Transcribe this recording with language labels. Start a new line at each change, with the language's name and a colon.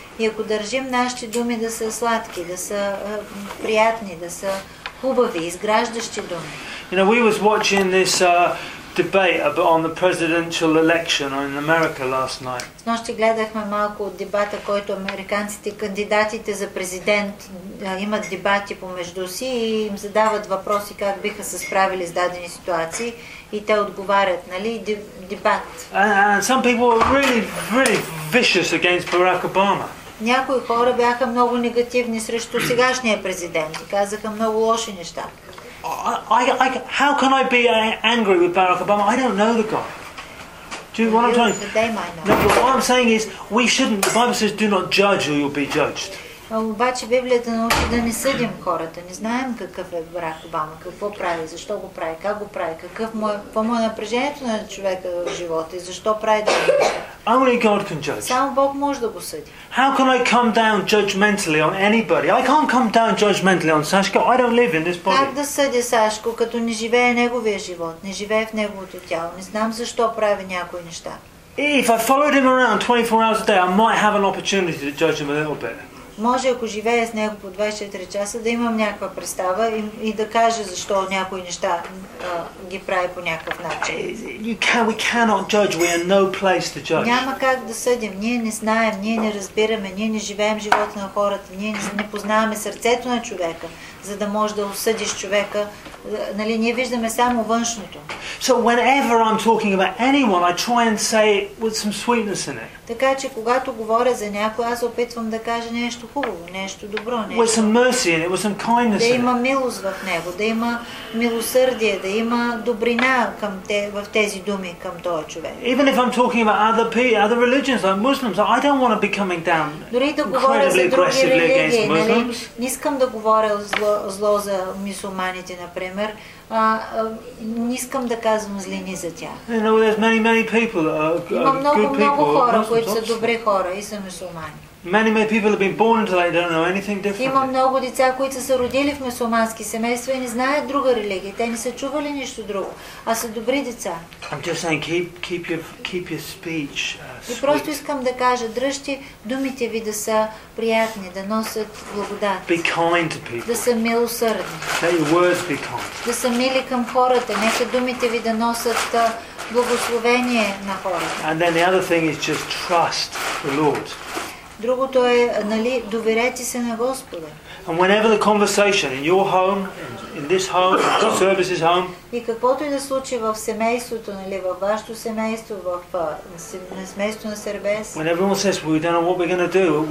Bulgarian: И ако държим нашите думи да са сладки, да са приятни, да са хубави, изграждащи думи.
English: You know, we was watching this debate on the presidential election in America last night.
Bulgarian: Нощи гледахме малко от дебата, който американците кандидатите за президент имат дебати помежду си и им задават въпроси как биха се справили с дадени ситуации. И те отговарят, нали, дебат.
English: And some people were really, really vicious against Barack Obama.
Bulgarian: Някои хора бяха много негативни срещу сегашния президент и казаха много лоши неща.
English: I how can I be angry with Barack Obama? I don't know the guy. What I'm saying is, we shouldn't. The Bible says, "Do not judge, or you'll be judged."
Bulgarian: Обаче Библията научи да не съдим хората. Не знаем какъв е Барак Обама, какво прави, защо го прави, как го прави, какво му е напрежението на човека в живота и защо прави да го прави.
English: Only God can judge.
Bulgarian: Само Бог може да го съди.
English: How can I come down judgmentally on anybody? I can't come down judgmentally on Сашко. I don't live in this body.
Bulgarian: Как да съди Сашко, като не живее неговия живот, не живее в неговото тяло? Не знам защо прави някои неща.
English: If I followed him around 24 hours a day, I might have an opportunity to judge him a little bit.
Bulgarian: Може, ако живея с него по 24 часа, да имам някаква представа и да кажа защо някои неща ги прави по някакъв начин.
English: We cannot judge. We are no place to judge.
Bulgarian: Няма как да съдим. Ние не знаем, ние не разбираме, ние не живеем живота на хората, ние не познаваме сърцето на човека, за да може да осъдиш човека. Нали, ние виждаме само външното.
English: So whenever I'm talking about anyone, I try and say it with some sweetness in it.
Bulgarian: Така че когато говоря за някой, аз опитвам да кажа нещо хубаво, нещо добро, нещо.
English: With some mercy in it, with some kindness.
Bulgarian: Да има милост в него, да има милосърдие, да има добрина към те, в тези думи към този човек.
English: Even if I'm talking about other people, other religions, like Muslims, I don't want to be coming down.
Bulgarian: Дори да говоря за други религии, не искам да говоря зло за мюсюлманите, например. Не искам да казвам злини за тях.
English: You know, there's many people that are good
Bulgarian: много,
English: people.
Bulgarian: Има много хора, които са добри хора и са мюсюлмани.
English: Many people have been born until they don't know anything different.
Bulgarian: Има много деца, които са родили в мюсюлмански семейства и не знаят друга религия. Те не са чували нищо друго, а са добри деца.
English: I'm just saying, keep your speech sweet.
Bulgarian: И просто искам да кажа, дръжте думите ви да са приятни, да носят благодат.
English: Be kind to people.
Bulgarian: Да са милосърдни.
English: Let your words be kind.
Bulgarian: Да са мили към хората, нека думите ви да носят благословение на хората.
English: And then the other thing is just trust the Lord.
Bulgarian: Другото е, нали, доверете се на Господа.
English: And whenever the conversation in your home, in this home, in the services home.
Bulgarian: И каквото и да случи в семейството, нали, във вашето семейство, в семейството на Сербес.
English: When everyone says, well, we don't know what we're going to do.